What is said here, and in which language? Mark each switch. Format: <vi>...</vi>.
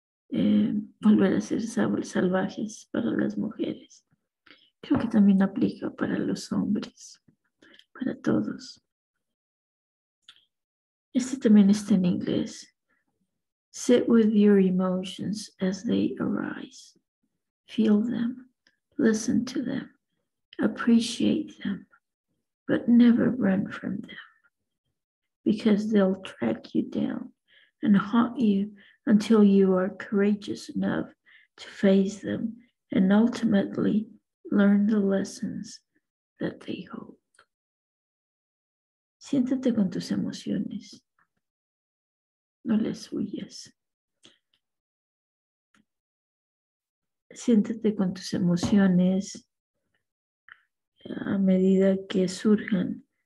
<es>Volver a ser salvajes para las mujeres. Creo que también aplica para los hombres, para todos. Este también está en inglés.</es> <en>Sit with your emotions as they arise. Feel them. Listen to them. Appreciate them. But never run from them. Because they'll track you down and haunt you until you are courageous enough to face them and ultimately learn the lessons that they hold.</en> <es>Siéntate con tus emociones. No les huyas. Siéntate con tus emociones a medida que surjan.</es>